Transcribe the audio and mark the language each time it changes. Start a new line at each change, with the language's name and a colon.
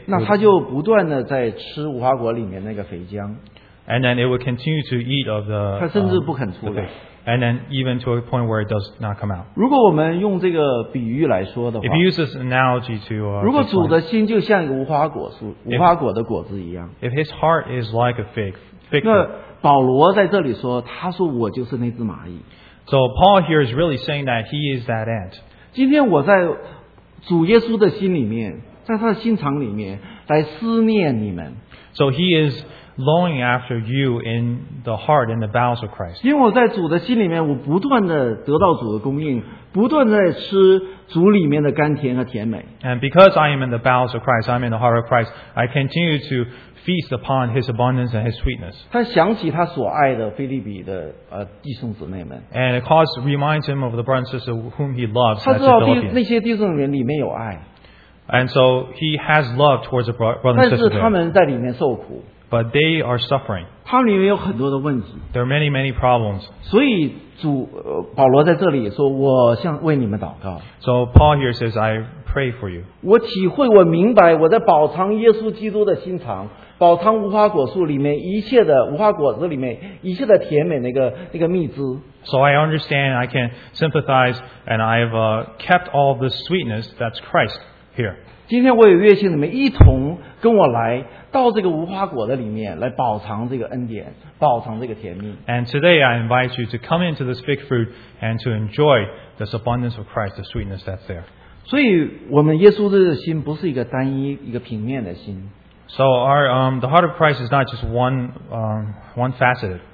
Chinese: 那它就不断的在吃无花果里面那个肥浆。
English: And then it will continue to eat of the.
Chinese: 它甚至不肯出来。
English: And then even to a point where it does not come out.
Chinese: 如果我们用这个比喻来说的话
English: ，If you use this analogy to,
Chinese: 如果主的心就像一个无花果树，无花果的果子一样
English: ，If his heart is like a fig.
Chinese: 那保罗在这里说，他说我就是那只蚂蚁。
English: So Paul here is really saying that he is that ant.
Chinese: 今天我在主耶稣的心里面，在他的心肠里面来思念你们。
English: So he is. Longing after you in the heart and the bowels of Christ.
Chinese: 因为我在主的心里面，我不断的得到主的供应，不断在吃主里面的甘甜和甜美。
English: And because I am in the bowels of Christ, I'm in the heart of Christ. I continue to feast upon His abundance and His sweetness.
Chinese: 他想起他所爱的腓立比的弟兄姊妹们。
English: And it reminds him of the brothers and sisters whom he loves.
Chinese: 他知道那些弟兄姊妹里面有爱。
English: And so he has love towards the brothers and sisters.
Chinese: 但是他们在里面受苦。
English: But they are suffering.
Chinese: 他里面有很多的问题。
English: There are many, many problems.
Chinese: 所以主保罗在这里说，我向为你们祷告。
English: So Paul here says, I pray for you.
Chinese: 我体会，我明白，我在饱尝耶稣基督的心肠，饱尝无花果树里面一切的无花果子里面一切的甜美那个蜜汁。
English: So I understand, I can sympathize, and I've kept all the sweetness that's Christ here.
Chinese: 今天我也约请你们一同跟我来。到这个无花果的里面来饱尝这个恩典，饱尝这个甜蜜。
English: And today I invite you to come into this fig fruit and to enjoy this abundance of Christ, the sweetness that's there.
Chinese: 所以我们耶稣的心不是一个单一一个平面的心。
English: So our the heart of Christ is not just one faceted.